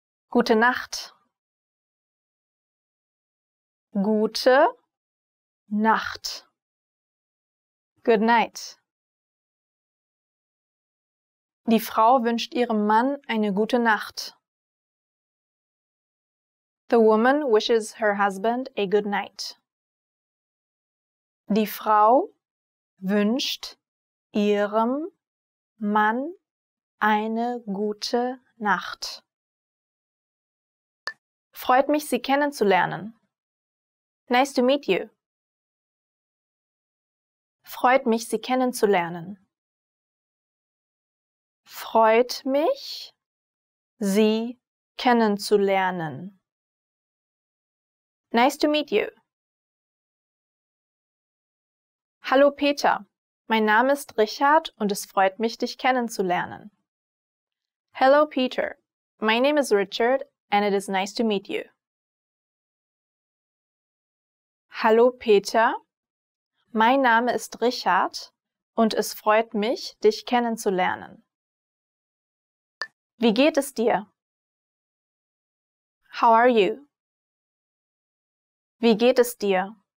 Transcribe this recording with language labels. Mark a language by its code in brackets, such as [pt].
[de] Gute Nacht. Gute Nacht. [en] Good night. [de] Die Frau wünscht ihrem Mann eine gute Nacht. [en] The woman wishes her husband a good night. [de] Die Frau wünscht ihrem Mann eine gute Nacht. Freut mich, Sie kennenzulernen. [en] Nice to meet you. [de] Freut mich, Sie kennenzulernen. Freut mich, Sie kennenzulernen. [en] Nice to meet you. [de] Hallo Peter, mein Name ist Richard und es freut mich, dich kennenzulernen. [en] Hello Peter, my name is Richard and it is nice to meet you. [de] Hallo Peter, mein Name ist Richard und es freut mich, dich kennenzulernen. Wie geht es dir? [en] How are you? [de] Wie geht es dir?